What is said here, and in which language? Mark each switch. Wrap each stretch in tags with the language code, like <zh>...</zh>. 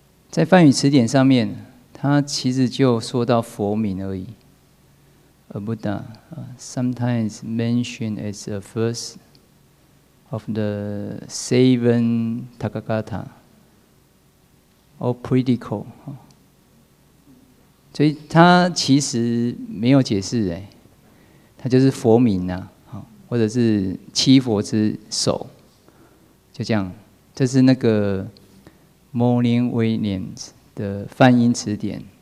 <zh>在梵语词典上面，它其实就说到佛名而已，</zh> <en>a Buddha sometimes mentioned as the first of the seven Tathagata or predicate.</en> <zh>所以他其实没有解释，他就是佛名啊，或者是七佛之首，就这样。这是那个 Morning Williams 的梵音词典。</zh>